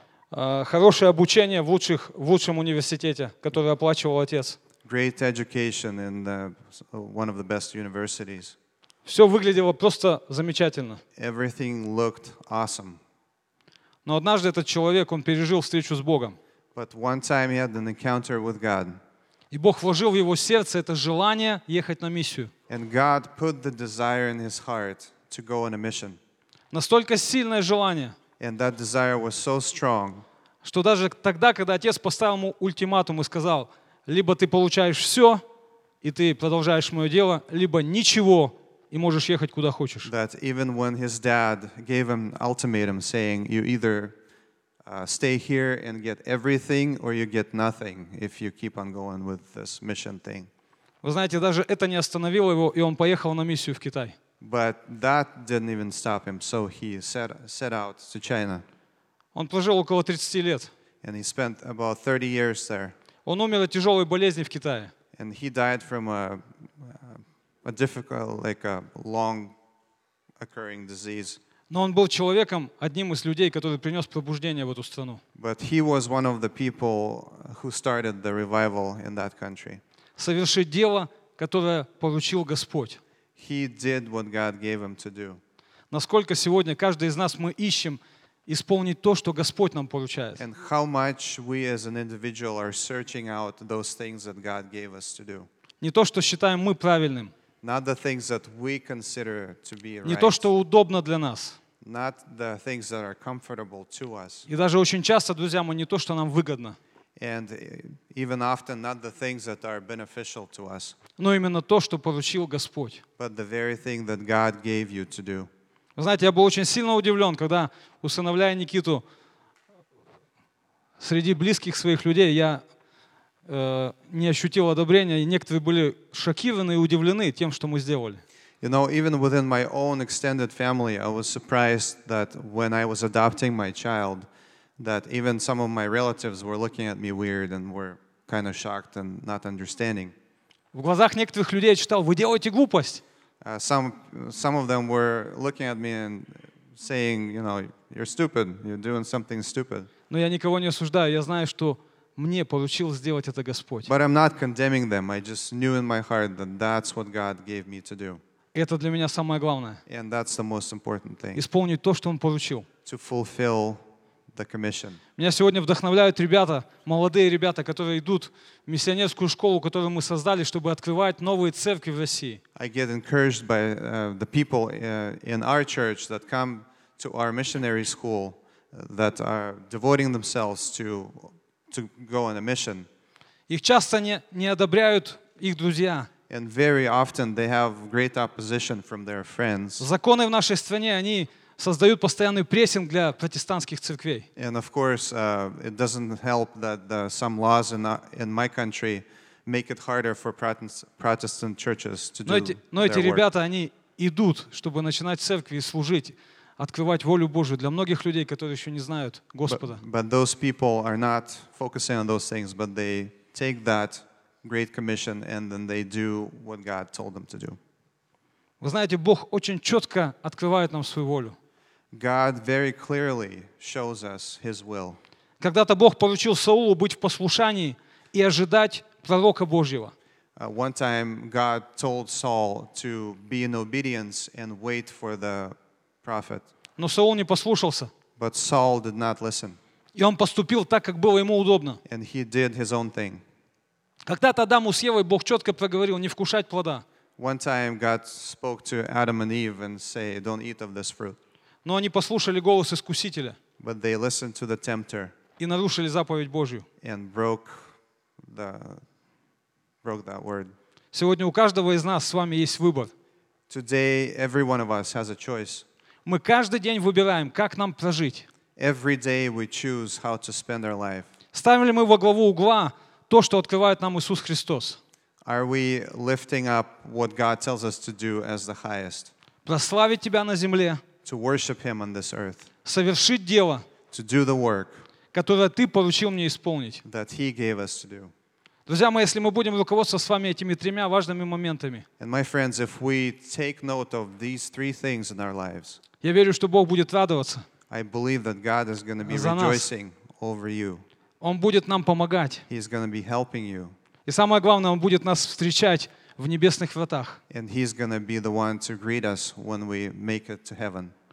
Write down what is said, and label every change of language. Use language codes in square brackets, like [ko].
[ru] Хорошее обучение в лучшем университете, который оплачивал отец. [en] Great education in one of the best universities. [ru] Все выглядело просто замечательно. [en] Everything looked awesome. [ru] Но однажды этот человек, он пережил встречу с Богом. [en] But one time he had an encounter with God. [ru] И Бог вложил в его сердце это желание ехать на миссию. [en] And God put the desire in his heart to go on a mission. [ru] Настолько сильное желание. [en] And that desire was so strong. [ru] Что даже тогда, когда отец поставил ему ультиматум и сказал: либо ты получаешь все, и ты продолжаешь мое дело, либо ничего, и можешь ехать куда хочешь. [en] That even when his dad gave him ultimatum saying, you either stay here and get everything, or you get nothing if you keep on going with this mission thing. [ru] Вы знаете, даже это не остановило его, и он поехал на миссию в Китай. [en] But that didn't even stop him, so he set out to China. [ru] Он прожил около 30 лет. [en] And he spent about 30 years there. [ru] Он умер от тяжелой болезни в Китае. [en] And he died from a difficult, like a long occurring disease. [ru] Но он был человеком, одним из людей, который принес пробуждение в эту страну. [en] But he was one of the people who started the revival in that country. [ru] Совершил дело, которое поручил Господь. [en] He did what God gave him to do. [ru] Насколько сегодня каждый из нас мы ищем исполнить то, что Господь нам поручает. [en] And how much we as an individual are searching out those things that God gave us to do. [ru] Не то, что считаем мы правильным. [en] Not the things that we consider to be right. [ru] Не то, что удобно для нас. [en] Not the things that are comfortable to us. [ru] И даже очень часто, друзья мои, не то, что нам выгодно. [en] And even often not the things that are beneficial to us. [ru] Но именно то, что поручил Господь. [en] But the very thing that God gave you to do. [ru] Вы знаете, я был очень сильно удивлен, когда, усыновляя Никиту, среди близких своих людей я не ощутил одобрения, и некоторые были шокированы и удивлены тем, что мы сделали. [en] You know, even within my own extended family, I was surprised that when I was adopting my child, that even some of my relatives were looking at me weird and were kind of shocked and not understanding. [ru] В глазах некоторых людей я читал: «Вы делаете глупость!» [en] Some of them were looking at me and saying, you know, you're stupid, you're doing something stupid. [ru] Но я никого не осуждаю, я знаю, что мне поручил сделать это Господь. [en] But I'm not condemning them, I just knew in my heart that that's what God gave me to do. [ru] Это для меня самое главное. [en] And that's the most important thing. [ru] Исполнить то, что Он поручил. [en] To fulfill the commission. [ru] Меня сегодня вдохновляют ребята, молодые ребята, которые идут в миссионерскую школу, которую мы создали, чтобы открывать новые церкви в России. [en] I get encouraged by the people in our church that come to our missionary school that are devoting themselves to go on a mission. [ru] Их часто не одобряют их друзья. [en] And very often they have great opposition from their friends. [ru] Законы в нашей стране, они создают постоянный прессинг для протестантских церквей. [en] And of course, it doesn't help that some laws in my country make it harder for Protestant churches to do their work. [ru] Но эти ребята, они идут, чтобы начинать церкви и служить, открывать волю Божию для многих людей, которые еще не знают Господа. [en] But those people are not focusing on those things, but they take that Great Commission, and then they do what God told them to do. [ru] Вы знаете, Бог очень четко открывает нам свою волю. [en] God very clearly shows us His will. [ru] Когда-то Бог поручил Саулу быть в послушании и ожидать пророка Божьего. [en] One time God told Saul to be in obedience and wait for the prophet. [ru] Но Саул не послушался. [en] But Saul did not listen. [ru] И он поступил так, как было ему удобно. [en] And he did his own thing. [ru] Когда-то Адаму с Евой Бог четко проговорил не вкушать плода. [en] One time God spoke to Adam and Eve and say, "Don't eat of this fruit." [ru] Но они послушали голос искусителя. [en] But they listened to the tempter. [ru] И нарушили заповедь Божью. [en] And broke that word. [ru] Сегодня у каждого из нас с вами есть выбор. [en] Today every one of us has a choice. [ru] Мы каждый день выбираем, как нам прожить. [en] Every day we choose how to spend our life. [ru] Ставим ли мы во главу угла то, что открывает нам Иисус Христос? [en] Are we lifting up what God tells us to do as the highest? [ru] Прославить тебя на земле. [en] To worship Him on this earth. [ru] Совершить дело. [en] To do the work. [ru] Которое ты поручил мне исполнить. [en] That He gave us to do. [ru] Друзья мои, если мы будем руководствоваться с вами этими тремя важными моментами, [en] and my friends, if we take note of these three things in our lives, [ru] я верю, что Бог будет радоваться. [en] I believe that God is going to be rejoicing over you. [ru] Он будет нам помогать. [en] He's going to be helping you. [ru] И самое главное, Он будет нас встречать в небесных вратах. [en] And He's going to be the one to greet us when we make it to heaven.